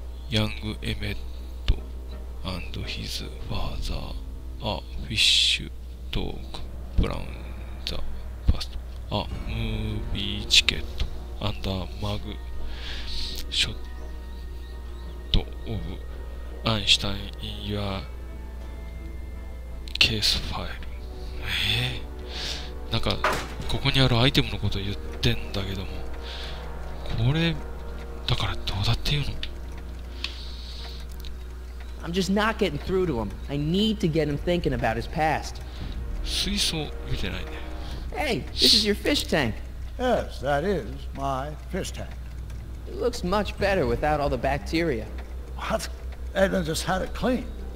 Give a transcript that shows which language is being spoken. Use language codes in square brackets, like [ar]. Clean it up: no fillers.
[en] Young Emmett and his father a fish talk from the past. A movie ticket and a mug shot of Einstein in your case file. [ja] なんかここにあるアイテムのことを言ってんだけども、これだからどうだって言うの。 [en] I'm just not getting through to him. I need to get him thinking about his past. [ja] 水槽見てないね。 [en] Hey, this is your fish tank. Yes, that is my fish tank. It looks much better without all the bacteria. What? Edna just had it cleaned.